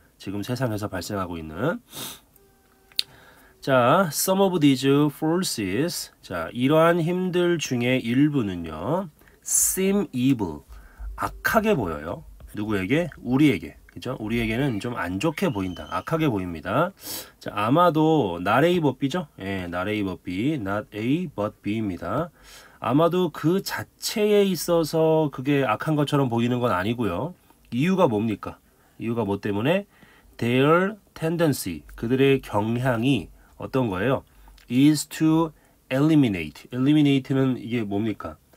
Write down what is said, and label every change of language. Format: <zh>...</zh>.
<ko>지금 세상에서 발생하고 있는.</ko> <en>자, some of these forces.</en> <ko>자, 이러한 힘들 중에 일부는요.</ko> <en>seem evil.</en> <ko>악하게 보여요. 누구에게? 우리에게. 그죠? 우리에게는 좀 안 좋게 보인다. 악하게 보입니다. 자, 아마도 not A but B죠? 예, not A but B.</ko> <en>Not A but B입니다.</en> <ko>아마도 그 자체에 있어서 그게 악한 것처럼 보이는 건 아니고요. 이유가 뭡니까? 이유가 뭐 때문에?</ko> <en>Their tendency,</en> <ko>그들의 경향이 어떤 거예요?</ko> <en>Is to eliminate. Eliminate는</en> <ko>이게 뭡니까?</ko>